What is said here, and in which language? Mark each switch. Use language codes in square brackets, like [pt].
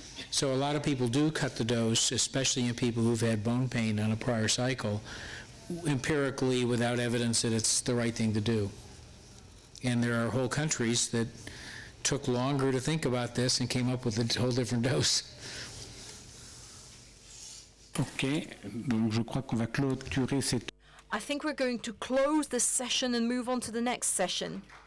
[en] So a lot of people do cut the dose, especially in people who've had bone pain on a prior cycle, empirically without evidence that it's the right thing to do. And there are whole countries that took longer to think about this and came up with a whole different dose. [fr] Okay, donc je crois qu'on va clôturer cette. [en] I think we're going to close this session and move on to the next session.